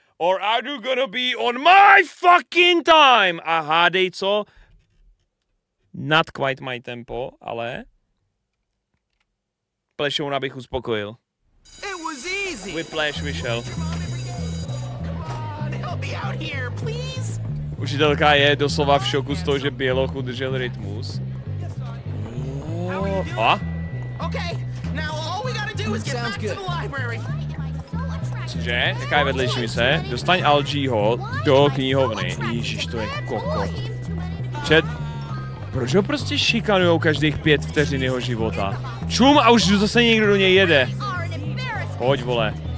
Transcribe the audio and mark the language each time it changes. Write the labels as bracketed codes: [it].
[en] Or are you gonna be on my fucking time? [cs] A hádej co? [en] Not quite my tempo, [cs] ale... Plešouna bych uspokojil. [en] It was easy. [cs] Whiplash vyšel. [en] Come on, help me out here, please. [cs] Učitelka je doslova v šoku z toho, že Běloch udržel rytmus. A? [en] Okay, now all we gotta do is get back to the library. [cs] Cože? Jaká je vedlejší mise? Dostaň Algieho do knihovny. Ježiš, to je koko. Čet, proč ho prostě šikanujou každých 5 vteřin jeho života? Čum a už zase někdo do něj jede. Pojď, vole.